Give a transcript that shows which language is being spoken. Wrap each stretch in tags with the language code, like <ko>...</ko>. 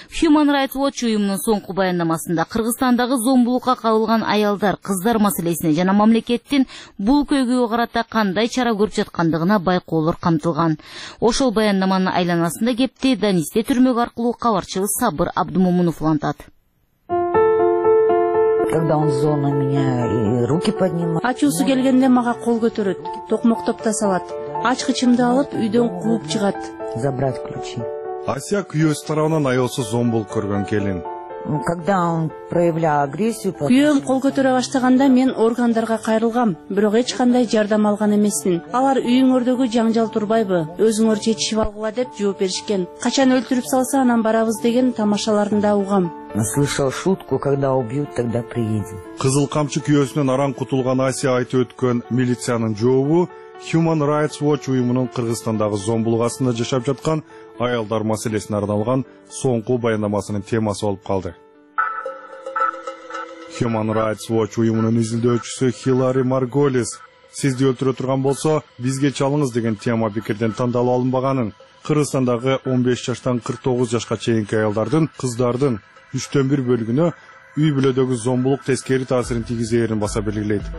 <ky>Human Rights Watch уюмунун соңку баяндамасында Кыргызстандагы зомбулукка кабылган аялдар, кыздар маселесине жана мамлекеттин бул көйгөйгө карата кандай чара көрүп жаткандыгына байкоолор камтылган. Ошол баяндаманын айланасында кепти Данисте түрмөгү аркылуу кабарчыбыз Сабыр Абдумомунов улантат.</ky> <ru>Когда он зол на меня и руки поднимает.</ru> <ky>Ачуусу келгенде мага кол көтөрөт, токмоктоп та салат. Ачкычымды алып үйдөн кууп чыгат.</ky> <ru>Забрать ключи.</ru> <ky>Ася күйөөсү тарабынан аялсыз зомбулук көргөн келин.</ky> <ru>Когда он проявлял агрессию,</ru> <ky>күйөөм кол көтөрө баштаганда мен органдарга кайрылгам, бирок эч кандай жардам алган эмесмин. Алар үйүңөрдөгү жаңжал турбайбы, өзүңөр чечишип алгыла деп жооп беришкен. Качан өлтүрүп салса анан барабыз деген тамашаларында угам.</ky> <ru>Слышал шутку, когда убьют, тогда приедем.</ru> <ky>Кызыл камчы күйөөсүнөн араң кутулган Ася айтып өткөн милициянын жообу Human Rights Watch уюмунун Кыргызстандагы зомбулук астында жашап жаткан аялдар маселесине арналган соңку баяндамасынын темасы болуп калды. Human Rights Watch уюмунун изилдөөчүсү Хилари Марголис, сизди өлтүрө турган болсо, бизге чалыңыз деген тема пикирден тандалып алынбаганын, Кыргызстандагы 15 жаштан 49 жашка чейинки аялдардын, кыздардын 1/3 бөлүгүнө үй бүлөдөгү зомбулук тескери таасирин тийгизээрин баса белгилейт.</ky>